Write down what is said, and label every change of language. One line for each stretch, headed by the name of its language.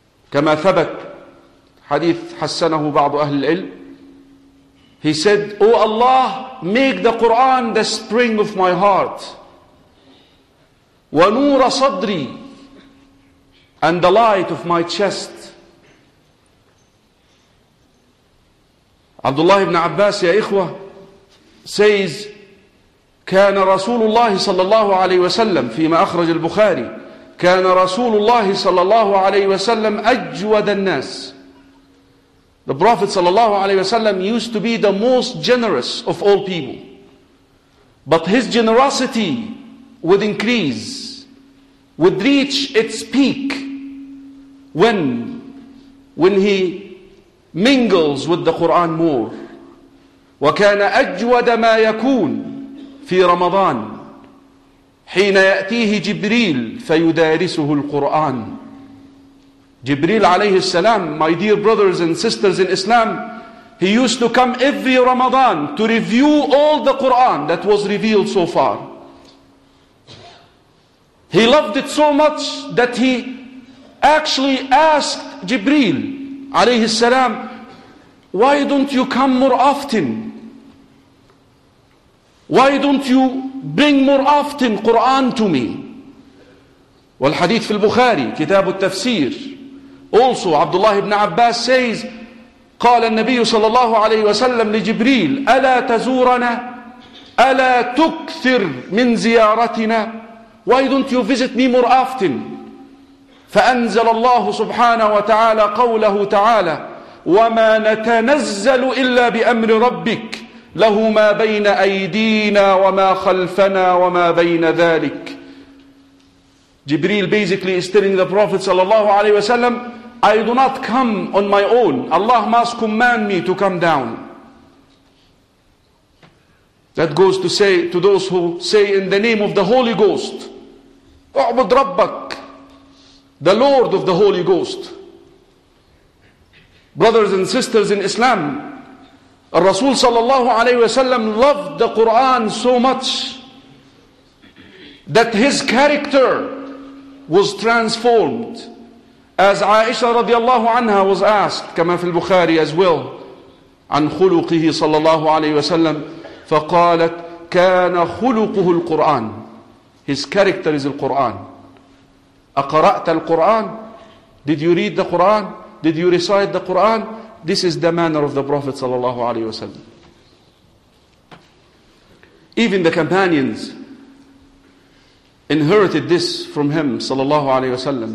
Arabic: Kama thabat hadith hassanahu ba'd ahli al-ilm.
English: He said, "O Allah, make the Quran the spring of my heart,
Arabic: wa nura sadri,
English: and the light of my chest."
Arabic: Abdullah ibn Abbas, ya ikhwa, says, "كان رسول الله صلى الله عليه وسلم فيما أخرج البخاري كان رسول الله صلى الله عليه وسلم أجود الناس."
English: The Prophet sallallahu alaihi wasallam used to be the most generous of all people. But his generosity would increase, would reach its peak when he mingles with the Quran more.
Arabic: وكان أجود ما يكون في رمضان حين يأتيه جبريل فيدارسه القرآن.
English: Jibril alayhi salam, my dear brothers and sisters in Islam, he used to come every Ramadan to review all the Quran that was revealed so far. He loved it so much that he actually asked Jibril alayhi salam, "Why don't you come more often? Why don't you bring more often Quran to me?"
Arabic: Wal hadith fil Bukhari, kitab al tafsir.
English: Also, Abdullah ibn Abbas says,
Arabic: قال النبي صلى الله عليه وسلم لجبريل ألا تزورنا ألا تكثر من زيارتنا.
English: Why don't you visit me more often?
Arabic: فأنزل الله سبحانه وتعالى قوله تعالى وما نتنزل إلا بأمر ربك له ما بين أيدينا وما خلفنا وما بين ذلك.
English: Jibril basically is telling the Prophet صلى الله عليه وسلم, "I do not come on my own. Allah must command me to come down." That goes to say to those who say in the name of the Holy Ghost,
Arabic: "U'bud Rabbak,"
English: the Lord of the Holy Ghost. Brothers and sisters in Islam, Rasul sallallahu alayhi wasallam loved the Quran so much that his character was transformed. As Aisha radiallahu anha was asked,
Arabic: كما في البخاري
English: as well,
Arabic: عن خلقه صلى الله عليه وسلم, فقالت كان خلقه القرآن.
English: His character is the Quran.
Arabic: أقرأت القرآن?
English: Did you read the Quran? Did you recite the Quran? This is the manner of the Prophet صلى الله عليه وسلم. Even the companions inherited this from him sallallahu alayhi wasallam.